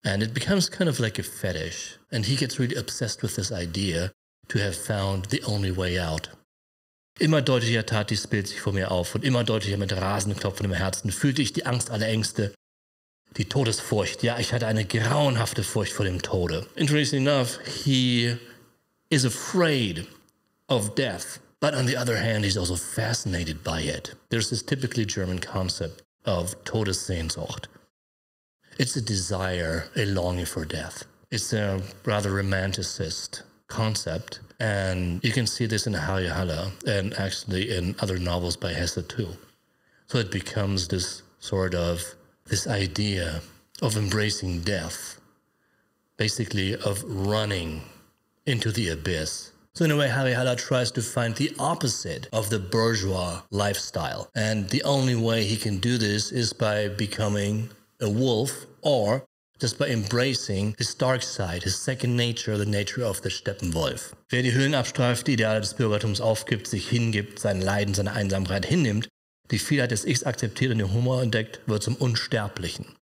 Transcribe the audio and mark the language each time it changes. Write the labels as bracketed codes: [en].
[en] And it becomes kind of like a fetish. And he gets really obsessed with this idea to have found the only way out. [de] Immer deutlicher tat dies Bild sich vor mir auf und immer deutlicher mit rasenden Klopfen im Herzen fühlte ich die Angst aller Ängste, die Todesfurcht. Ja, ich hatte eine grauenhafte Furcht vor dem Tode. [en] Interestingly enough, he is afraid of death. But on the other hand, he's also fascinated by it. There's this typically German concept of Todessehnsucht. It's a desire, a longing for death. It's a rather romanticist concept. And you can see this in Harry Haller and actually in other novels by Hesse too. So it becomes this sort of this idea of embracing death, basically of running into the abyss. So in a way, Harry Haller tries to find the opposite of the bourgeois lifestyle. And the only way he can do this is by becoming a wolf, or just by embracing his dark side, his second nature, the nature of the Steppenwolf. [de] Wer die Höhlen abstreift, die Ideale des Bürgertums aufgibt, sich hingibt, sein Leiden, seine Einsamkeit hinnimmt, die Vielheit des Ichs akzeptiert und den Humor entdeckt, wird zum Unsterblichen.